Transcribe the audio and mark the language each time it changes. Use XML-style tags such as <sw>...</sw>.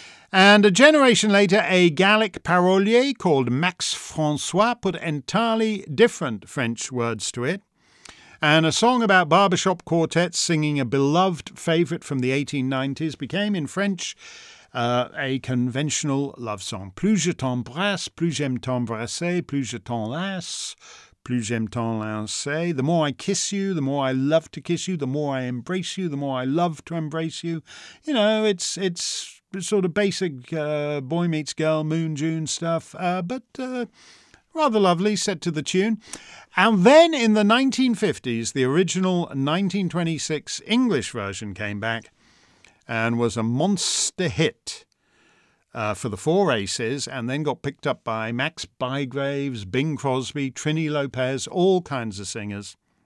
<en>And a generation later, a Gallic parolier called Max Francois put entirely different French words to it. And a song about barbershop quartets singing a beloved favourite from the 1890s became, in French, a conventional love song.</en> <fr>Plus je t'embrasse, plus j'aime t'embrasser, plus je t'enlace, plus j'aime t'enlacer.</fr> <en>The more I kiss you, the more I love to kiss you, the more I embrace you, the more I love to embrace you. You know, it's sort of basic boy meets girl, moon, June stuff, rather lovely, set to the tune. And then in the 1950s, the original 1926 English version came back and was a monster hit for the Four Aces, and then got picked up by Max Bygraves, Bing Crosby, Trini Lopez, all kinds of singers.</en>